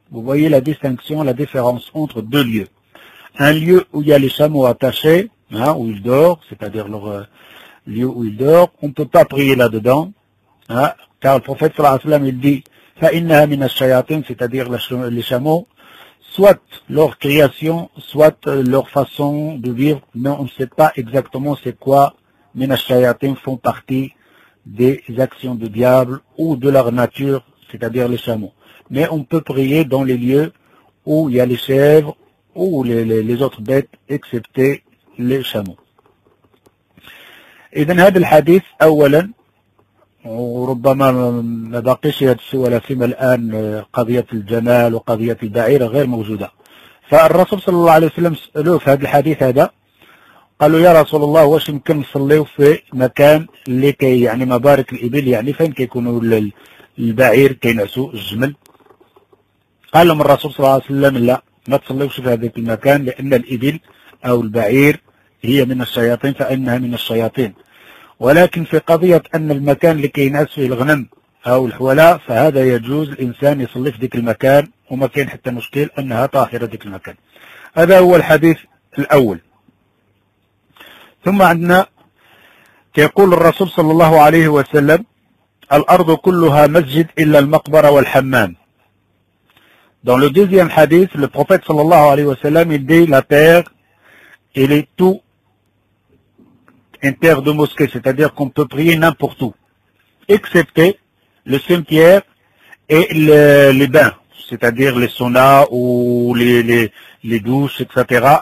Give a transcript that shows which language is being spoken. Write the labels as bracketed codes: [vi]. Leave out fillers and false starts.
[fr] Vous voyez la distinction, la différence entre deux lieux. Un lieu où il y a les chameaux attachés, hein, où ils dorment, c'est-à-dire leur lieu où ils dorment, on ne peut pas prier là-dedans, hein, car le prophète [ar] sallallahu alayhi wa sallam, [fr] il dit « [ar] فَإِنَّهَا مِنَ الشَّيَاطِينَ [fr] » c'est-à-dire les chameaux, soit leur création, soit leur façon de vivre, mais on ne sait pas exactement c'est quoi « [ar] مِنَ الشَّيَاطِينَ [fr] » font partie des actions du diable ou de leur nature, c'est-à-dire les chameaux. Mais on peut prier dans les lieux où il y a les chèvres ou les autres bêtes, excepté les chameaux. [ar] إذن هذا الحديث أولا وربما ما بقيش يتسوى لسيما الآن قضية الجمال وقضية البعيرة غير موجودة. فالرسول صلى الله عليه وسلم سألوه في هذا الحديث هذا قالوا يا رسول الله واش يمكن نصليو في مكان اللي كي يعني مبارك الإبل يعني فين كيكونوا البعير كينعسوا الجمل. قال لهم الرسول صلى الله عليه وسلم لا ما تصليوش في هذاك المكان لأن الإبل أو البعير هي من الشياطين فإنها من الشياطين. ولكن في قضية أن المكان اللي كينعس فيه الغنم أو الحولاء فهذا يجوز الإنسان يصلي في ذاك المكان وما كاين حتى مشكل أنها طاهرة ذاك المكان. هذا هو الحديث الأول. ثم عندنا يقول الرسول صلى الله عليه وسلم الأرض كلها مسجد إلا المقبرة والحمام. [fr] Dans le deuxième hadith, le prophète [ar] صلى الله عليه وسلم [fr] il dit la terre elle est tout une terre de mosquée, c'est-à-dire qu'on peut prier n'importe où excepté le cimetière et les bains, c'est-à-dire les saunas ou les douches, etc.